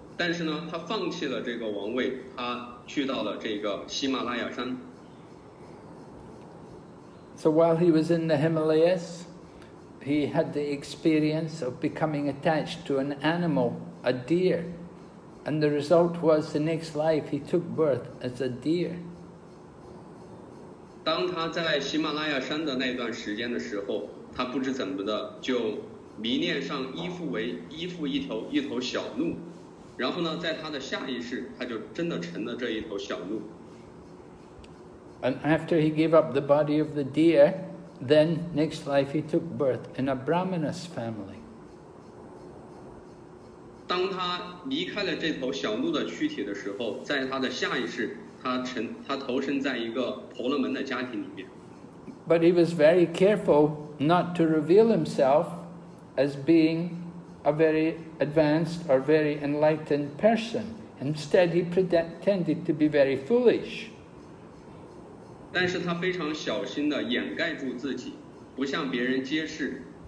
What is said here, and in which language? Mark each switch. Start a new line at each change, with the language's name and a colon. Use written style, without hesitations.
Chinese: 但是呢，他放弃了这个王位，他去到了这个喜马拉雅山。
English: So while he was in the Himalayas, he had the experience of becoming attached to an animal, a deer, and the result was the next life he took birth as a deer.
Chinese: 当他在喜马拉雅山的那段时间的时候，他不知怎么的就迷恋上依附一头小鹿，然后呢，在他的下意识，他就真的成了这一头小鹿。
English: And after he gave up the body of the deer, then next life he took birth in a Brahmana's family.
Chinese: 当他离开了这头小鹿的躯体的时候，在他的下意识，他投身在一个婆罗门的家庭里面。
English: But he was very careful not to reveal himself as being a very advanced or very enlightened person. Instead, he pretended to be very foolish.
Chinese: 但是他非常小心地掩盖住自己，不向别人揭示。